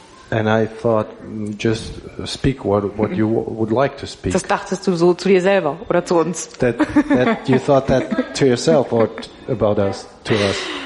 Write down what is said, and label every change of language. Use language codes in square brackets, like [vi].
[en] And I thought, just speak what you would like to speak. [de] Das dachtest du so zu dir selber oder zu uns. [en] That you thought that to yourself or about us, to us.